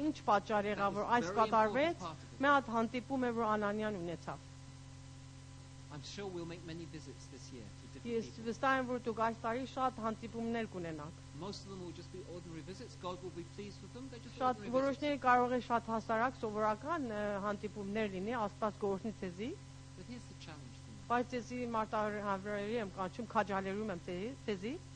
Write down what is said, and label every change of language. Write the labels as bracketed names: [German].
[Armenian] Ինչ պատճառ եղավ, որ այս կատարվեց, մի հատ հանդիպում է, որ Անանյան ունեցավ. [English] I'm sure we'll make many visits this year to different people. [Armenian] Ես վստահ եմ, որ դուք այս տարի շատ հանդիպումներ կունենաք. [English] Most of them will just be ordinary visits. God will be pleased with them. They're just ordinary [Armenian] Շատ որոշները կարող է շատ հասարակ, սովորական հանդիպումներ լինի, Աստված գործնի ձեզ։ [English] But here's the challenge. [Armenian] Բայց ես իմ մարտահրավերի եմ կանչում, քաջալերում եմ ձեզ։